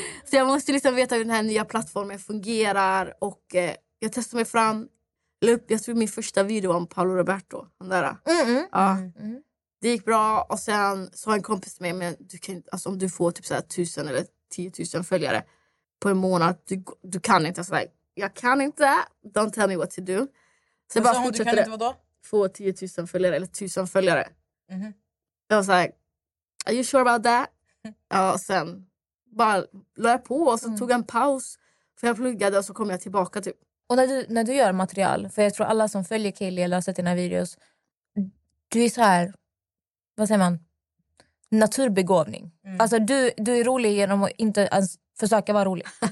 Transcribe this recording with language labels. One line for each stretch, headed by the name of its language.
Swedish: Så jag måste liksom veta hur den här nya plattformen fungerar. Och jag testade mig fram. Jag tror min första video om Paolo Roberto. Den där. Ja. Det gick bra och sen sa en kompis till mig, men du kan, alltså, om du får typ så här 1000 eller 10 000 följare på en månad, du kan inte.
English: Alltså, like,
Swedish: jag kan inte,
English: don't tell me what to do.
Swedish: Så jag bara sa hon, du kan inte vadå? Få 10 000 följare eller 1000 följare. Mm-hmm. Jag var såhär,
English: are you sure about that?
Swedish: Ja, och sen bara la jag på och sen tog en paus för jag pluggade och så kom jag tillbaka typ. Och när du gör material, för jag tror alla som följer Kaylee eller har sett dina videos, du är så här. Vad säger man? Naturbegåvning. Mm. Alltså du är rolig genom att inte ens försöka vara rolig.